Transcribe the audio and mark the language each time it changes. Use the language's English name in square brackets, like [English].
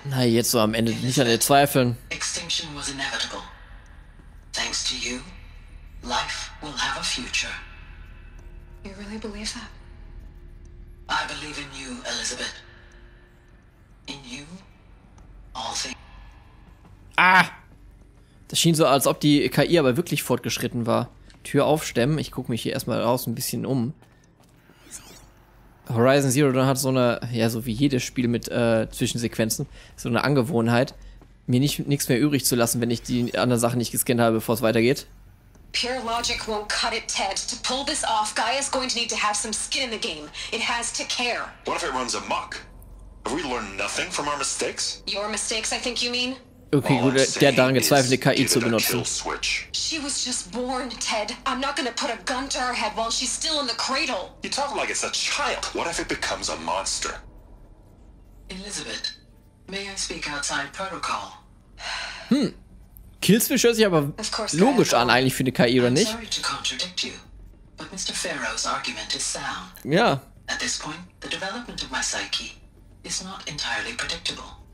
[German] Na, jetzt so am Ende nicht an dir zweifeln. [English] Extinction was inevitable. Thanks to you, life will have a future. You really believe that? I believe in you, Elizabeth. In you, all things. Ah! [German] Das schien so, als ob die KI aber wirklich fortgeschritten war. Tür aufstemmen. Ich gucke mich hier erstmal raus ein bisschen um. Horizon Zero Dawn hat so eine, ja, so wie jedes Spiel mit Zwischensequenzen, so eine Angewohnheit, mir nichts mehr übrig zu lassen, wenn ich die anderen Sachen nicht gescannt habe, bevor es weitergeht. [English] Pure logic won't cut it, Ted. To pull this off, Gaia's going to need to have some skin in the game. It has to care. What if it runs amok? Have we learned nothing from our mistakes? Your mistakes, I think you mean? [German] Okay, gut, der daran gezweifelt, die KI zu benutzen. [English] She was just born, Ted. I'm not gonna put a gun to her head while she's still in the cradle. You talk like it's a child. What if it becomes a monster? Elizabeth, may I speak outside protocol? Hm. [German] Killswitch hört sich aber logisch an, eigentlich für eine KI, oder nicht? [English] Sorry to contradict you, but Mr. Pharaoh's argument is sound. [German] Ja. [English] At this point, the development of my psyche is not entirely predictable.